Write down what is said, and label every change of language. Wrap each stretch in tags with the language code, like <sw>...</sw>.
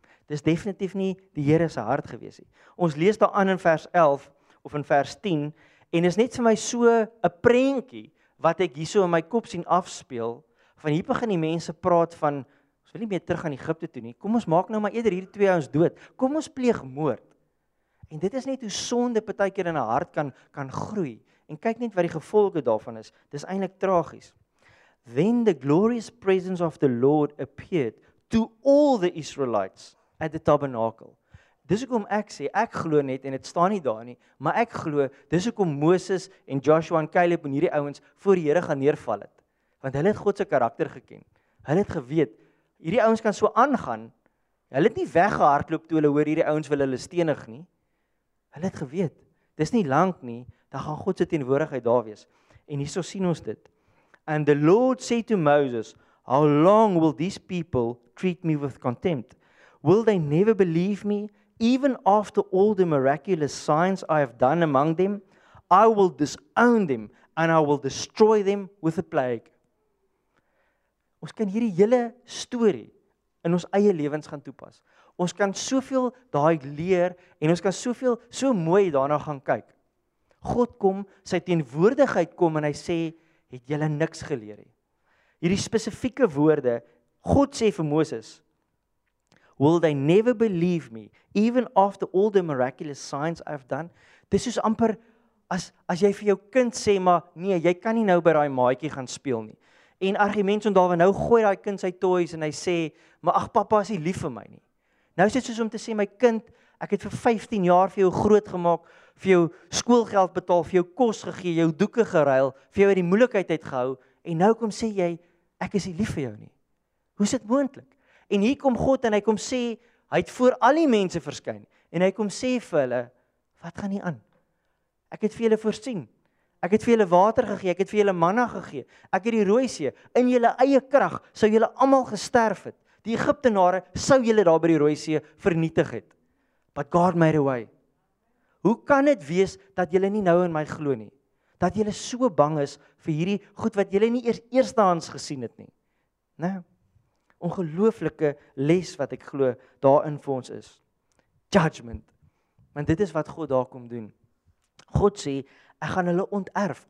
<af>Dis definitief nie die Here se hart gewees nie. Ons lees daaraan in vers 11 of in vers 10 en is net vir my so 'n prentjie wat ek hierso in my kop sien afspeel. Van hier begin die mense praat van, ons wil nie meer terug aan Egipte toe nie, kom ons maak nou maar eerder hierdie twee ouens dood, kom ons pleeg moord. En dit is net hoe sonde partykeer in 'n hart kan groei, en kyk net wat die gevolge daarvan is, dis eintlik tragies.</af> <en>When the glorious presence of the Lord appeared to all the Israelites at the tabernacle.</en> <af>Dis hoekom ek sê, ek glo net, en dit staan nie daar nie, maar ek glo, dis hoekom Moses en Joshua en Caleb en hierdie ouens voor die Here gaan neerval het. Want hulle het God se karakter geken. Hulle het geweet, hierdie ouens kan so aangaan, hulle het nie weggehardloop toe hulle hoor hierdie ouens wil hulle stenig nie. Hulle het geweet, dis nie lank nie, dan gaan God se teenwoordigheid daar wees. En hierso sien ons dit.</af> <en>And the Lord said to Moses, how long will these people treat me with contempt? Will they never believe me, even after all the miraculous signs I have done among them? I will disown them, and I will destroy them with a plague.</en> <af>Ons kan hierdie hele storie in ons eie lewens gaan toepas. Ons kan soveel daai leer en ons kan soveel so mooi daarna gaan kyk. God kom, sy teenwoordigheid kom en hy sê, het julle niks geleer nie. Hierdie spesifieke woorde, God sê vir Moses,</af> <en>will they never believe me, even after all the miraculous signs I've done?</en> <af>Dis is amper as jy vir jou kind sê, maar nee, jy kan nie nou by daai maatjie gaan speel nie. En argument om daarby nou gooi daai kind sy toys en hy sê, maar ag pappa is nie lief vir my nie. Nou is dit soos om te sê, my kind, ek het vir 15 jaar vir jou groot gemaak, vir jou skoolgeld betaal, vir jou kos gegee, jou doeke geruil, vir jou uit die moeilikheid uitgehou en nou kom sê jy, ek is nie lief vir jou nie. Hoe is dit moontlik? En hier kom God en hy kom sê, hy het voor al die mense verskyn en hy kom sê vir hulle, wat gaan hier aan? Ek het vir julle voorsien. Ek het vir julle water gegee, ek het vir julle manna gegee. Ek het die Rooi See in julle eie krag sou julle almal gesterf het. Die Egiptenare sou julle daar by die Rooi See vernietig het.</af> <en>But God made a way.</en> <af>Hoe kan dit wees dat julle nie nou in my glo nie? Dat julle so bang is vir hierdie goed wat julle nie eerstehands gesien het nie. Né? Ongelooflike les wat ek glo daarin vir ons is. Judgment. Want dit is wat God daar kom doen. God sê ek gaan hulle onterf.</af>